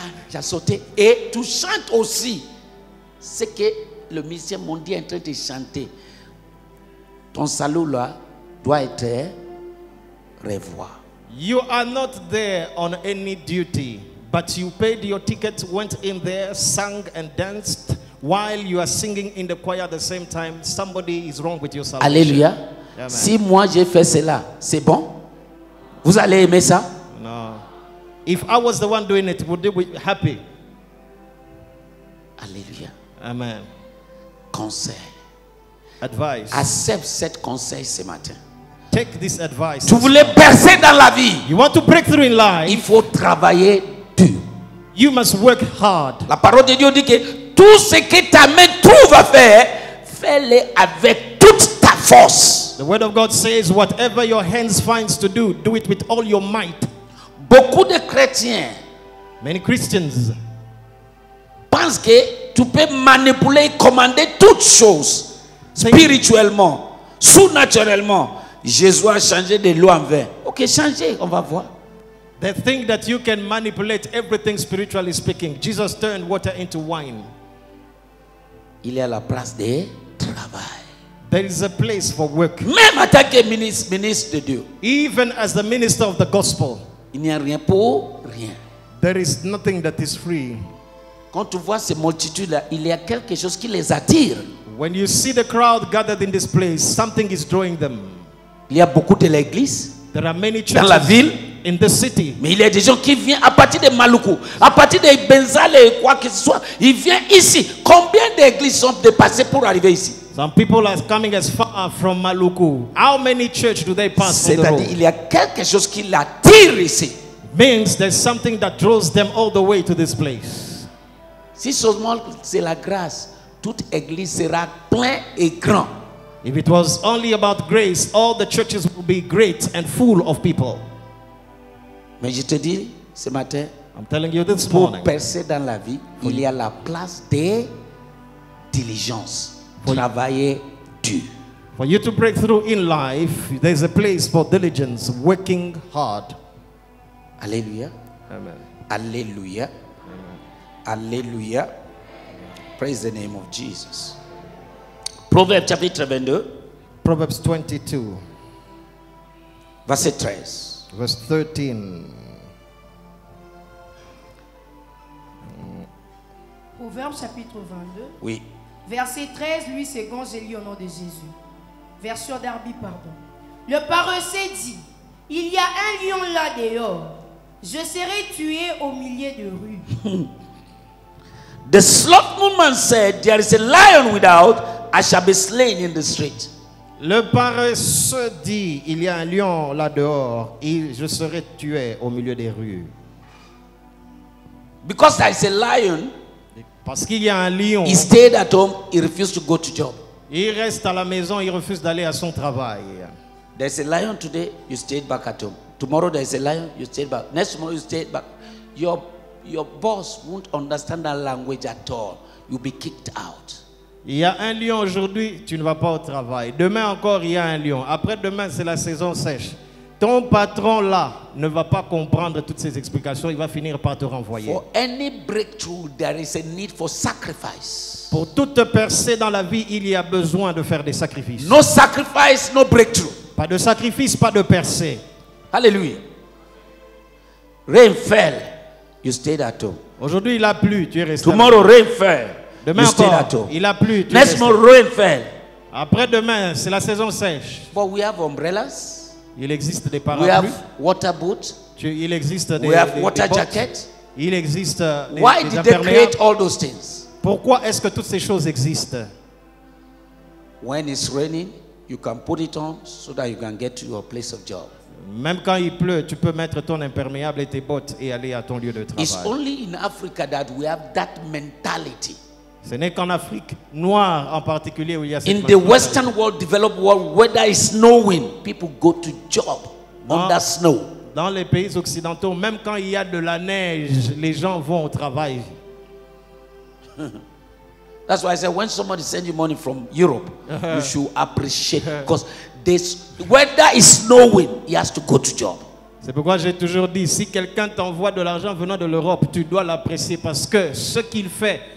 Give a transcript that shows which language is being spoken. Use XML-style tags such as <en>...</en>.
<fr>J'ai sauté. Et tu chantes aussi ce que le musicien mondial est en train de chanter. Ton salut là doit être revoir.</fr> <en>You are not there on any duty, but you paid your ticket, went in there, sang and danced while you are singing in the choir at the same time. Somebody is wrong with your salvation.</en> <fr>Alléluia.</fr> <en>Yeah,</en> <fr>si moi j'ai fait cela, c'est bon? Vous allez aimer ça?</fr> <en>No. If I was the one doing it, would they be happy?</en> <fr>Alléluia. Amen. Conseil.</fr> <en>Advice.</en> <fr>Accepte cet conseil ce matin.</fr> <en>Take this advice.</en> <fr>Tu voulais percer dans la vie.</fr> <en>You want to break through in life.</en> <fr>Il faut travailler dur.</fr> <en>You must work hard.</en> <fr>La parole de Dieu dit que tout ce que ta main trouve à faire, fais-le avec toute ta force.</fr> <en>The word of God says, whatever your hands finds to do, do it with all your might.</en> <fr>Beaucoup de chrétiens,</fr> <en>many Christians,</en> <fr>pensent que tu peux manipuler et commander toutes choses spirituellement, surnaturellement. Jésus a changé des lois en vain. Ok, changez, on va voir.</fr> <en>They think that you can manipulate everything spiritually speaking. Jesus turned water into wine.</en> <fr>Il y a la place de travail.</fr> <en>There is a place for work.</en> <fr>Même en tant que ministre de Dieu.</fr> <en>Even as the minister of the gospel.</en> <fr>Il n'y a rien pour rien.</fr> <en>There is nothing that is free.</en> <fr>Quand tu vois ces multitudes là, il y a quelque chose qui les attire.</fr> <en>When you see the crowd gathered in this place, something is drawing them.</en> <fr>Il y a beaucoup de l'église.</fr> <en>There are many churches</en> <fr>dans la ville.</fr> <en>In the city.</en> <fr>Mais il y a des gens qui viennent à partir de Maluku, à partir de Benzale, quoi que ce soit, ils viennent ici. Combien d'églises sont dépassées pour arriver ici?</fr> <en>Some people are coming as far from Maluku. How many churches do they pass?</en> <fr>C'est-à-dire il y a quelque chose qui l'attire ici.</fr> <en>Means there's something that draws them all the way to this place.</en> <fr>Si seulement c'est la grâce, toute église sera pleine et grande.</fr> <en>If it was only about grace, all the churches would be great and full of people.</en> <fr>Mais je te dis ce matin,</fr> <en>I'm telling you this</en> <fr>pour</fr> <en>morning,</en> <fr>percer dans la vie, il y a la place des diligences, travailler dur.</fr> <en>For you to break through in life, there's a place for diligence, working hard.</en> <fr>Alléluia. Amen. Alléluia. Amen.</fr> <en>Alléluia. Amen. Praise the name of Jesus.</en> <fr>Proverbe chapitre 22.</fr> <en>Proverbs 22.</en> <fr>Verset 13.</fr> <en>Verse 13.</en> <fr>Proverbe chapitre 22. Oui. Verset 13, lui second, j'ai lu au nom de Jésus. Version d'Arbi, pardon. Le paresseux dit, il y a un lion là dehors. Je serai tué au milieu de rue.</fr> <en>The slothful man said, there is a lion without, I shall be slain in the street.</en> <fr>Le paresseux dit, il y a un lion là dehors, et je serai tué au milieu des rues.</fr> <en>Because there is a lion,</en> <fr>parce qu'il y a un lion,</fr> <en>he stayed at home, he refused to go to job.</en> <fr>Il reste à la maison, il refuse d'aller à son travail.</fr> <en>There is a lion today, you stayed back at home. Tomorrow there is a lion, you stayed back. Next tomorrow you stayed back. Your boss won't understand that language at all. You'll be kicked out.</en> <fr>Il y a un lion aujourd'hui, tu ne vas pas au travail. Demain encore, il y a un lion. Après demain, c'est la saison sèche. Ton patron là ne va pas comprendre toutes ces explications. Il va finir par te renvoyer.</fr> <en>For any breakthrough, there is a need for sacrifice.</en> <fr>Pour toute percée dans la vie, il y a besoin de faire des sacrifices.</fr> <en>No sacrifice, no breakthrough.</en> <fr>Pas de sacrifice, pas de percée.</fr> <en>Alléluia. Rain fell, you stayed at home.</en> <fr>Aujourd'hui, il a plu, tu es resté.</fr> <en>Tomorrow, rain fell.</en> <fr>Demain encore, il a plu.</fr> <en>Next tomorrow, rain fell.</en> <fr>Après demain, c'est la saison sèche.</fr> <en>But we have umbrellas.</en> <fr>Il existe des parapluies.</fr> <en>We have water boots.</en> <fr>Il existe des.</fr> <en>We have water jackets.</en> <fr>Il existe.</fr> <en>Why did they create all those things?</en> <fr>Pourquoi est-ce que toutes ces choses existent?</fr> <en>When it's raining, you can put it on so that you can get to your place of job.</en> <fr>Même quand il pleut, tu peux mettre ton imperméable et tes bottes et aller à ton lieu de travail.</fr> <en>It's only in Africa that we have that mentality.</en> <fr>Ce n'est qu'en Afrique noire en particulier où il y a cette</fr> <en>in the Western world, developed world, whether it's snowing, people go to job under snow.</en> <fr>Dans les pays occidentaux, même quand il y a de la neige, les gens vont au travail.</fr> <en>That's why I said when somebody sends you money from Europe, you should appreciate because this whether it's snowing, he has to go to job.</en> <fr>C'est pourquoi j'ai toujours dit si quelqu'un t'envoie de l'argent venant de l'Europe, tu dois l'apprécier parce que ce qu'il fait.</fr>